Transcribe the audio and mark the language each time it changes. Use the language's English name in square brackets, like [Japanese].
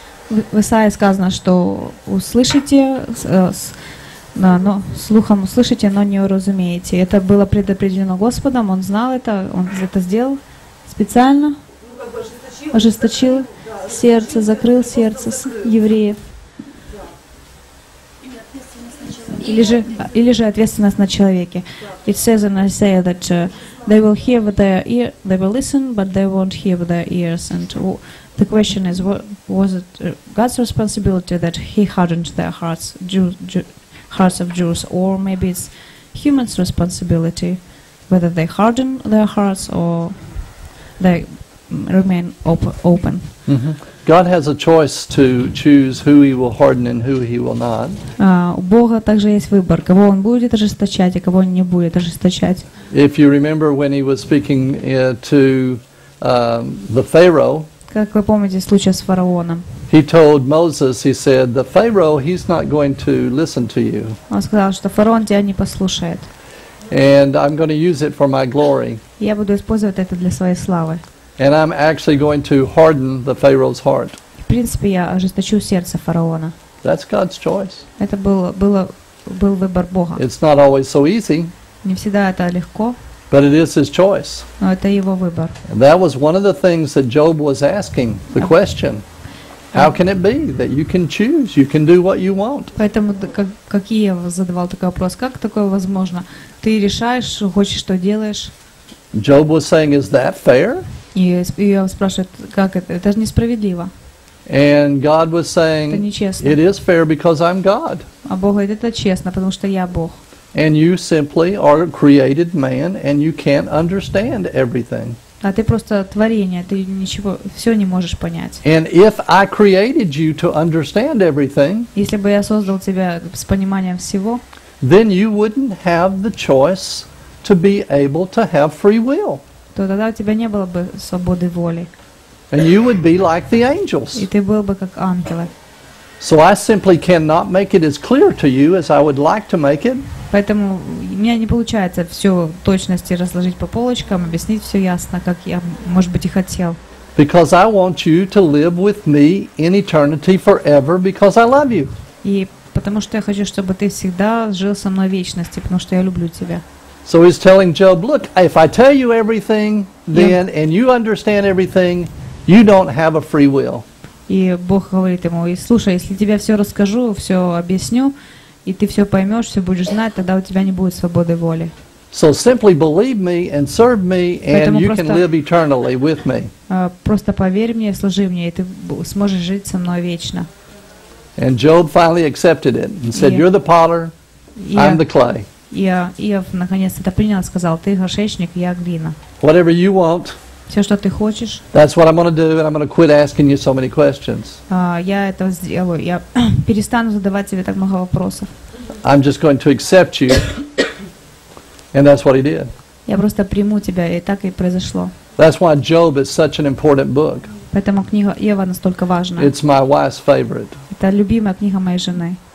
[Russian] В Исаии сказано, что услышите, но слухом услышите, но не уразумеете. Это было предопределено Господом, Он знал это, Он это сделал специально, ожесточил сердце, закрыл сердце евреев. Или же ответственность на человеке. [English] It says in Isaiah that they will hear with their ear, they will listen, but they won't hear with their ears. And the question is, was it God's responsibility that he hardened their hearts of Jews, or maybe it's human's responsibility whether they harden their hearts or they remain open. Mm-hmm. God has a choice to choose who he will harden and who he will not. [Russian] У Бога также есть выбор, кого он будет ожесточать, а кого не будет ожесточать. [English] If you remember when he was speaking the Pharaoh, [Russian] как вы помните случай с фараоном? [English] He told Moses, he said, the Pharaoh, he's not going to listen to you. [Russian] Он сказал, что фараон тебя не послушает. [English] And I'm going to use it for my glory. [Russian] Я буду использовать это для своей славы. [English] And I'm actually going to harden the Pharaoh's heart. [Russian] В принципе, я ожесточу сердце фараона. [English] That's God's choice. [Russian] Это был выбор Бога. [English] It's not always so easy. [Russian] Не всегда это легко. [English] But it is his choice. [Russian] Но это его выбор. [English] And that was one of the things that Job was asking, the question. How can it be that you can choose, you can do what you want? [Russian] Поэтому как я задавал такой вопрос, как такое возможно? Ты решаешь, хочешь, что делаешь? [English] Job was saying, is that fair? [Russian] И я спрашиваю, как это? Это же несправедливо. [English] And God was saying, it is fair because I'm God. [Russian] А Бог говорит, это честно, потому что я Бог. [English] And you simply are created man, and you can't understand everything. [Russian] А ты просто творение, ты ничего, все не можешь понять. [English] And if I created you to understand everything, [Russian] если бы я создал тебя с пониманием всего, [English] then you wouldn't have the choice to be able to have free will. [Russian] То тогда у тебя не было бы свободы воли. [English] And you would be like the angels. [Russian] И ты был бы как ангелы. [English] So I simply cannot make it as clear to you as I would like to make it. [Russian] Поэтому у меня не получается все в точности разложить по полочкам, объяснить все ясно, как я, может быть, и хотел. [English] Because I want you to live with me in eternity forever because I love you. [Russian] И потому что я хочу, чтобы ты всегда жил со мной в вечности, потому что я люблю тебя. [English] So he's telling Job, look, if I tell you everything, then, and you understand everything, you don't have a free will. [Russian] И Бог говорит ему, слушай, если тебе все расскажу, все объясню, и ты все поймешь, все будешь знать, тогда у тебя не будет свободы воли. [English] So simply believe me and serve me, and you can live eternally with me. [Russian] Просто поверь мне, служи мне, и ты сможешь жить со мной вечно. [English] And Job finally accepted it and said, you're the potter, I'm the clay. [Russian] Я наконец это принял, сказал, ты горшечник, я глина. [English] Whatever you want. [Russian] Все, что ты хочешь. [English] That's what I'm going to do, and I'm going to quit asking you so many questions. [Russian] Я это сделаю. Я перестану задавать тебе так много вопросов. [English] I'm just going to accept you, and that's what he did. [Russian] Я просто приму тебя, и так и произошло. [English] That's why Job is such an important book. [Russian] Поэтому книга Иова настолько важна. [English] It's my wife's favorite. [Russian] Это любимая книга моей жены.